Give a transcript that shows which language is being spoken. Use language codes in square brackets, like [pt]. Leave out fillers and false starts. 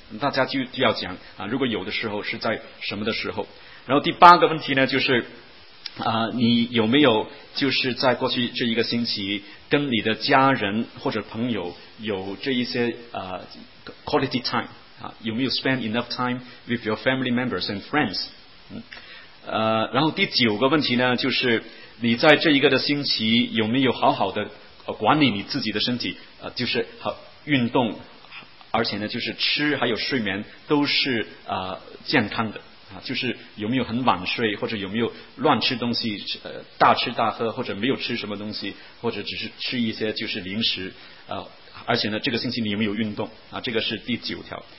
[zh] 大家就要讲啊，如果有的时候是在什么的时候。然后第八个问题呢，就是你有没有就是在过去这一个星期跟你的家人或者朋友有这一些 [en] quality time [zh] 啊？有没有 [en] spend enough time with your family members and friends？ [zh] 然后第九个问题呢，就是你在这一个的星期有没有好好的管理你自己的身体就是好运动，而且呢就是吃还有睡眠都是健康的就是有没有很晚睡，或者有没有乱吃东西大吃大喝，或者没有吃什么东西，或者只是吃一些就是零食而且呢这个星期你有没有运动这个是第九条。